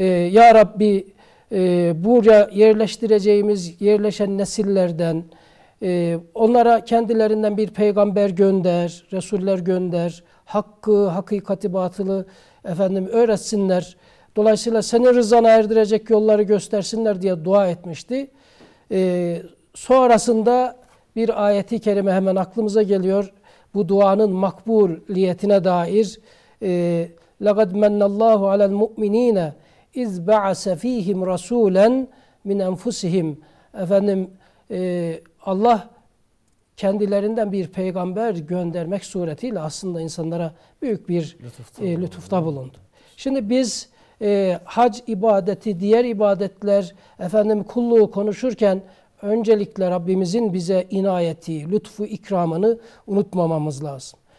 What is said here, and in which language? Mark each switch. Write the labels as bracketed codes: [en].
[tr] Ya Rabbi, buraya yerleştireceğimiz yerleşen nesillerden onlara kendilerinden bir peygamber gönder, resuller gönder, hakkı, hakikati, batılı efendim öğretsinler. Dolayısıyla senin rızana erdirecek yolları göstersinler diye dua etmişti. Sonrasında bir ayeti kerime hemen aklımıza geliyor. Bu duanın makbuliyetine dair [ar] لَقَدْ مَنَّ اللّٰهُ عَلَى الْمُؤْمِن۪ينَ اِذْ بَعَسَ ف۪يهِمْ رَسُولًا مِنْ اَنْفُسِهِمْ. [tr] Efendim Allah kendilerinden bir peygamber göndermek suretiyle aslında insanlara büyük bir lütufta bulundu. Şimdi biz hac ibadeti, diğer ibadetler, efendim kulluğu konuşurken öncelikle Rabbimizin bize inayeti, lütfu, ikramını unutmamamız lazım.